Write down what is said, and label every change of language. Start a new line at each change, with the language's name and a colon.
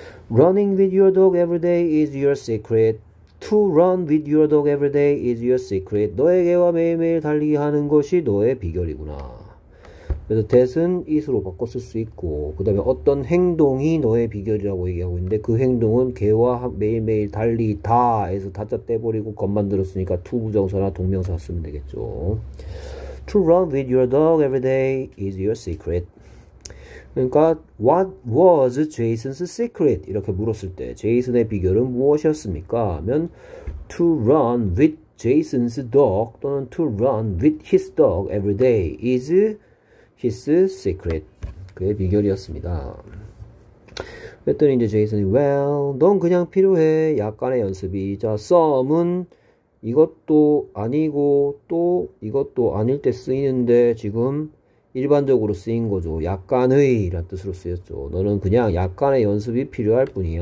English: Running with your dog every day is your secret. To run with your dog every day is your secret.
Korean: 너의 개와 매일매일 달리기 하는 것이 너의 비결이구나. 그래서 that은 is로 바꿔 쓸수 있고, 그 다음에 어떤 행동이 너의 비결이라고 얘기하고 있는데, 그 행동은 개와 매일매일 달리다에서 다짜 떼버리고 겉만 들었으니까 to 부정사나 동명사 쓰면 되겠죠.
English: To run with your dog every day is your secret.
Korean: 그러니까
English: what was Jason's secret?
Korean: 이렇게 물었을 때 제이슨의 비결은 무엇이었습니까? 하면
English: to run with Jason's dog 또는 to run with his dog every day is his secret.
Korean: 그의 비결이었습니다. 그랬더니 이제 제이슨이 well, 넌 그냥 필요해. 약간의 연습이. 자, some은 이것도 아니고 또 이것도 아닐 때 쓰이는데 지금 일반적으로 쓰인 거죠. 약간의 이런 뜻으로 쓰였죠. 너는 그냥 약간의 연습이 필요할 뿐이야.